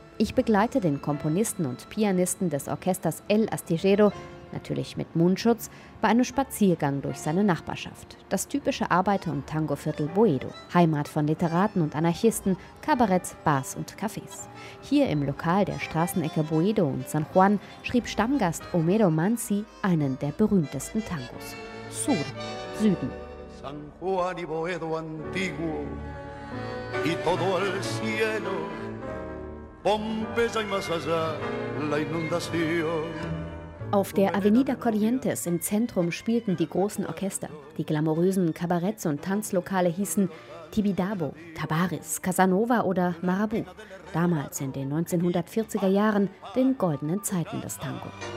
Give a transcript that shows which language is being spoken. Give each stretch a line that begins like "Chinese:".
German: Ich begleite den Komponisten und Pianisten des Orchesters El Astillero, natürlich mit Mundschutz, bei einem Spaziergang durch seine Nachbarschaft. Das typische Arbeiter- und Tangoviertel Boedo, Heimat von Literaten und Anarchisten, Kabaretts, Bars und Cafés. Hier im Lokal der Straßenecke Boedo und San Juan schrieb Stammgast Homero Manzi einen der berühmtesten Tangos. Sur, Süden.
Spanish: San Juan y Boedo antiguo y todo el cielo, Pompeya y más allá, la inundación.
German: Auf der Avenida Corrientes im Zentrum spielten die großen Orchester. Die glamourösen Kabaretts und Tanzlokale hießen Tibidabo, Tabaris, Casanova oder Marabu. Damals in den 1940er Jahren, den goldenen Zeiten des Tango.